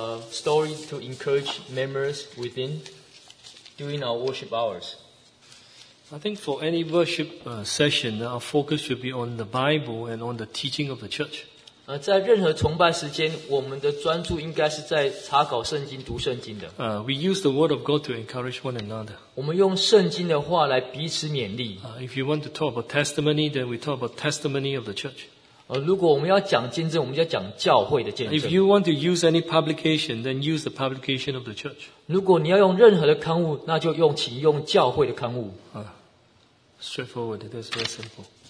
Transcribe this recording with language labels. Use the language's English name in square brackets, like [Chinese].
[English] story to encourage members within during our worship hours. I think for any worship session, our focus should be on the Bible and on the teaching of the church. [Chinese] 在任何崇拜时间，我们的专注应该是在查考圣经、读圣经的。 [English] We use the word of God to encourage one another. [Chinese] 我们用圣经的话来彼此勉励。 [English] If you want to talk about testimony, then we talk about testimony of the church. [Chinese] 如果我们要讲见证，我们就要讲教会的见证。 [English] If you want to use any publication, then use the publication of the church. [Chinese] 如果你要用任何的刊物，那就用请用教会的刊物。 [English] Straightforward, that's very simple.